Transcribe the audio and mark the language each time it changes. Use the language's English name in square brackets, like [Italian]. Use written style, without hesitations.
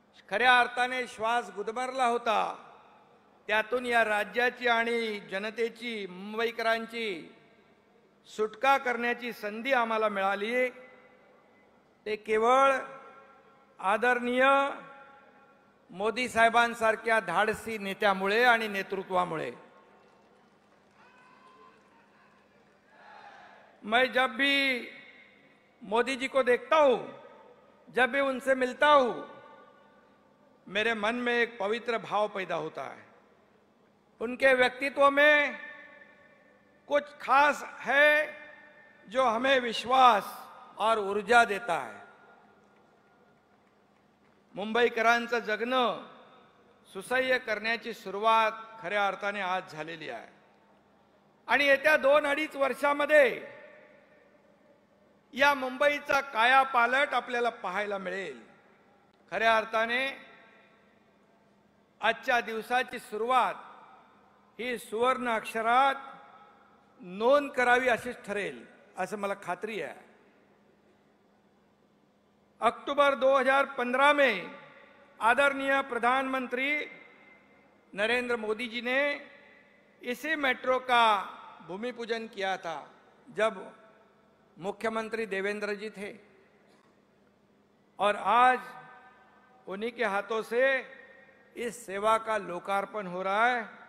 [Marathi] खऱ्या अर्थाने श्वास गुदमरला होता त्यातून या राज्याची आणि जनतेची मुंबईकरांची सुटका करण्याची संधी आम्हाला मिळाली, ते केवळ आदरणीय मोदी साहेबांसारख्या धाडसी नेत्यामुळे आणि नेतृत्वामुळे। [Hindi] मैं जब भी मोदी जी को देखता हूं, जब भी उनसे मिलता हूं, मेरे मन में एक पवित्र भाव पैदा होता है। उनके व्यक्तित्व में कुछ खास है जो हमें विश्वास और ऊर्जा देता है। [Marathi] मुंबईकरांचं जगणं सुसह्य करण्याची सुरुवात खऱ्या अर्थाने आज झालेली आहे, आणि येत्या 2-2.5 वर्षांमध्ये या मुंबईचा कायापालट आपल्याला पाहायला मिळेल। खऱ्या अर्थाने आजच्या दिवसाची सुरुवात ही सुवर्ण अक्षरात नोंद करावी अशीच ठरेल असं मला खात्री आहे। [Hindi] अक्टूबर 2015 में आदरणीय प्रधानमंत्री नरेंद्र मोदी जी ने इसी मेट्रो का भूमि पूजन किया था जब मुख्यमंत्री देवेंद्र जी थे, और आज उन्हीं के हाथों से इस सेवा का लोकार्पण हो रहा है।